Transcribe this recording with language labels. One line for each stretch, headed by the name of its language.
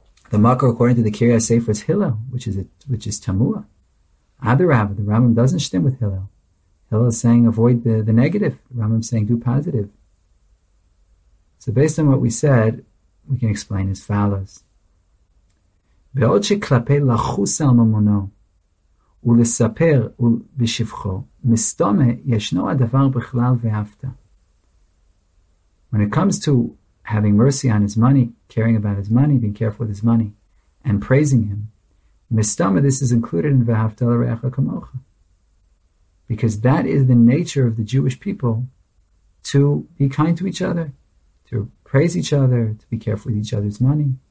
English: The makor, according to the Kiryas Sefer, is Hillel, which is Tamua. Adarav, the Rambam doesn't shtim with Hillel. Hillel is saying avoid the negative. The Rambam is saying do positive. So based on what we said, we can explain as follows.
Hebrew: ועוד שכלפי לחוס על ממונו ולספר בשבחו, מסתומה ישנו הדבר בכלל ואהבת.
English: When it comes to having mercy on his money, caring about his money, being careful with his money, and praising him, mistama, this is included in v'ahavta l'reacha kamocha. Because that is the nature of the Jewish people, to be kind to each other, to praise each other, to be careful with each other's money.